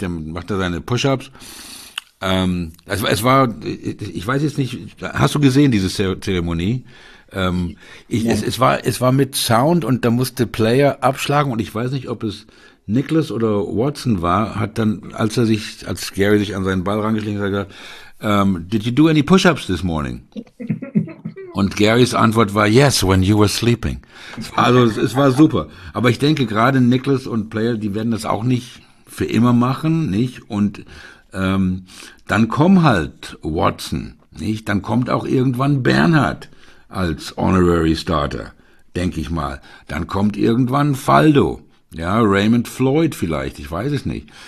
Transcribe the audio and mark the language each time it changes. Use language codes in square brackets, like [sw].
[de] Der macht da seine Push-Ups. Es war, ich weiß jetzt nicht, hast du gesehen, diese Zeremonie? Es war mit Sound und da musste Player abschlagen und ich weiß nicht, ob es Nicholas oder Watson war, hat dann, als Gary sich an seinen Ball rangeschlichen hat, gesagt, [en] did you do any push-ups this morning? [de] Und Garys Antwort war, [en] yes, when you were sleeping. [de] Also es war super. Aber ich denke, gerade Nicholas und Player, die werden das auch nicht für immer machen, nicht? Und dann kommt halt Watson, nicht? Dann kommt auch irgendwann Bernhard als Honorary Starter, denke ich mal. Dann kommt irgendwann Faldo, ja, Raymond Floyd vielleicht, ich weiß es nicht.